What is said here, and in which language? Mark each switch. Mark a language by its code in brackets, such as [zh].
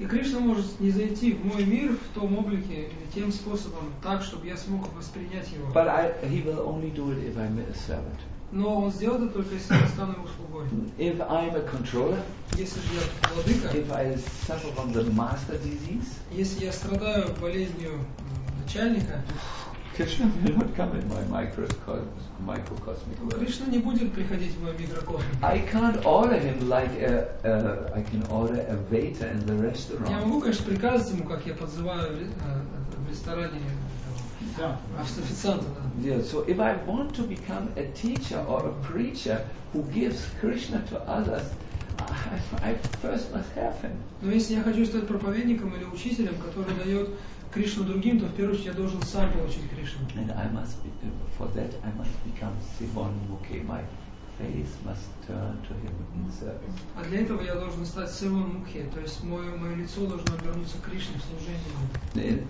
[ru] И Кришна может не зайти в мой мир в том облике тем способом так, чтобы я смог воспринять его. [en] But he will only do it if I'm a servant. [ru] Но он сделает это только если я стану его слугой. [en] If I'm a controller. [ru] Если же я владыка. [en] If I suffer from the master disease. [ru] Если я страдаю болезнью начальника. [en] Krishna will not come in my microcosmic world. [ru] Krishna не будет приходить в мой микрокосмос. [en] I can't order him like I can order a waiter in the restaurant. [ru] Я могу, конечно, приказывать ему, как я подзываю в ресторане официанта. [en] Yeah. So if I want to become a teacher or a preacher who gives Krishna to others, I first must have him. [ru] Но если я хочу стать проповедником или учителем, который дает Кришну другим, то в первую очередь я должен сам получить Кришну. [en] And I must be, for that I must become Sivan Mukhi. My face must turn to him in service. [ru] А для этого я должен стать Sivan Mukhi, то есть мое лицо должно обернуться Кришне в служении.